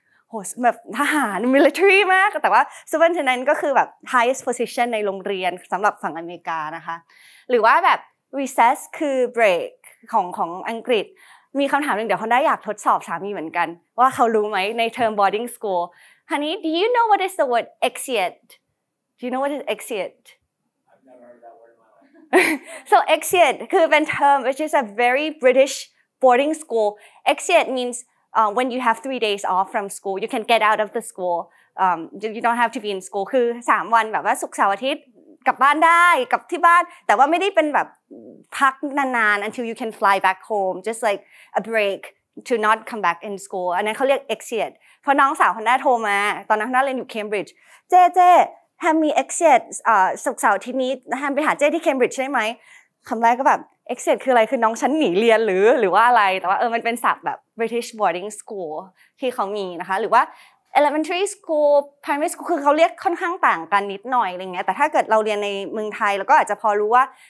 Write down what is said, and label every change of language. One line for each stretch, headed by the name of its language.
Thai: โหแบบทหาร military มากแต่ว่า superintendent ก็คือแบบ highest position ในโรงเรียนสำหรับฝั่งอเมริกานะคะหรือว่าแบบ recess คือ break ของอังกฤษมีคำถามหนึ่งเดี๋ยวเขาได้อยากทดสอบสามีเหมือนกันว่าเขารู้ไหมในเทอม boarding school ฮันนี่
English: do you know what is the word exeunt do you know what is exeunt I've never heard that word in my life so exeunt
Thai: คือเป็น
English: term which is a very British boarding school exeunt meansWhen you have 3 days off from school, you can get out of the school. You don't have to be in school.
Thai: คือ3วันแบบว่าศุกร์เสาร์อาทิตย์กลับบ้านได้กลับที่บ้านแต่ว่าไม่ได้เป็นแบบพักนานๆ
English: until you can fly back home. Just like a break to not come back in school.
Thai: อันนั้นเขาเรียก exeunt. เพราะน้องสาวคนแรกโทรมาตอนนั้นคนแรกเรียนอยู่ Cambridge. เจ้เจ้แฮมมี exeunt ศุกร์เสาร์อาทิตย์นี้แฮมไปหาเจ้ที่ Cambridge ได้ไหมคำแรกก็แบบ exeunt คืออะไรคือน้องฉันหนีเรียนหรือว่าอะไรแต่ว่ามันเป็นศัพท์แบบ British boarding school ที่เขามีนะคะหรือว่า elementary school primary school คือเขาเรียกค่อนข้างต่างกันนิดหน่อยอะไรเงี้ยแต่ถ้าเกิดเราเรียนในเมืองไทยเราก็อาจจะพอรู้ว่า